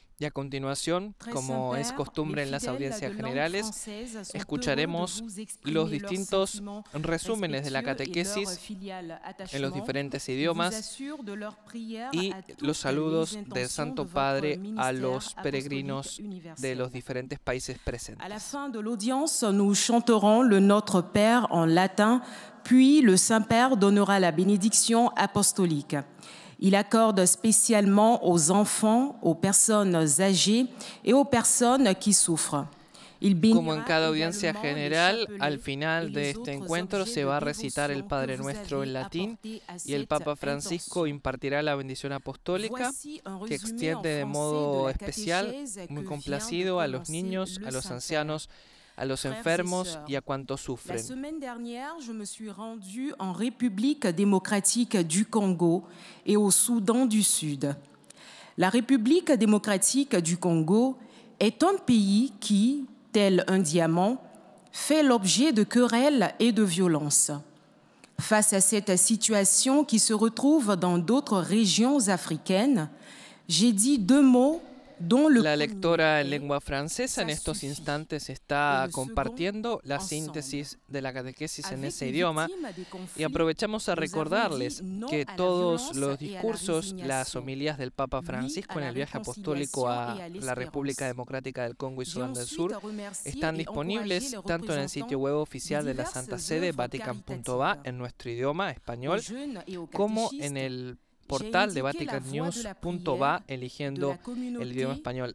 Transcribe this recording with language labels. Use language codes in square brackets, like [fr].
[es] Y a continuación, como es costumbre en las audiencias generales, escucharemos los distintos resúmenes de la catequesis en los diferentes idiomas y los saludos del Santo Padre a los peregrinos de los diferentes países presentes. [fr] A la fin de l'audience, nous chanterons le Notre Père en latin, puis le Saint-Père donnera la bénédiction apostolique. Il accorde spécialement aux enfants, aux personnes âgées et aux personnes qui souffrent. [es] Como en cada audiencia general, al final de este encuentro se va a recitar el Padre Nuestro en latín y el Papa Francisco impartirá la bendición apostólica que extiende de modo especial, muy complacido, a los niños, a los ancianos, a los enfermos y a cuantos sufren. [fr] La semaine dernière, je me suis rendu en République démocratique du Congo et au Soudan du Sud. La République démocratique du Congo est un pays qui, tel un diamant, fait l'objet de querelles et de violences. Face à cette situation qui se retrouve dans d'autres régions africaines, J'ai dit deux mots dont le [es] la lectora en lengua francesa en estos instantes está compartiendo la síntesis de la catequesis en ese idioma y aprovechamos a recordarles que todos los discursos, las homilías del Papa Francisco en el viaje apostólico a la República Democrática del Congo y Sudán del Sur están disponibles tanto en el sitio web oficial de la Santa Sede, vatican.va, en nuestro idioma español, como en el portal de vaticannews.va, eligiendo el idioma español.